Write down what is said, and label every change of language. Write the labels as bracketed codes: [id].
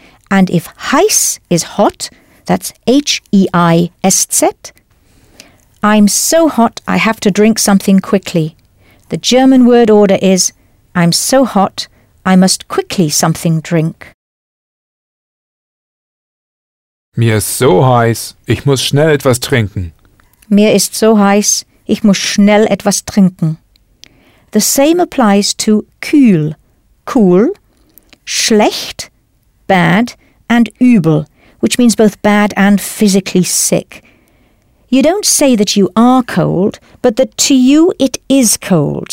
[en] And if heiß is hot, that's H-E-I-S-Z, I'm so hot I have to drink something quickly. The German word order is, I'm so hot I must quickly something drink. [de] Mir ist so heiß, ich muss schnell etwas trinken. Mir ist so heiß, ich muss schnell etwas trinken. [en] The same applies to kühl, cool, schlecht, bad, and übel, which means both bad and physically sick. You don't say that you are cold, but that to you it is cold.